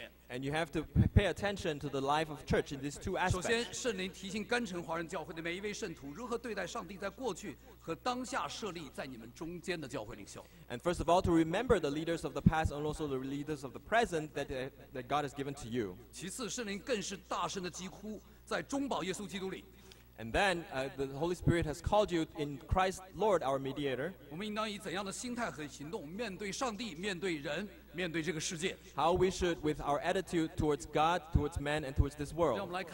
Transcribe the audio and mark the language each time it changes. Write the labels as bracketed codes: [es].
[en] And you have to pay attention to the life of church in these two aspects. And first of all, to remember the leaders of the past and also the leaders of the present that God has given to you. [zh] 其次，圣灵更是大声地疾呼，在中保耶稣基督里。 [en] And then the Holy Spirit has called you in Christ Lord, our mediator. How we should, with our attitude towards God, towards man, and towards this world.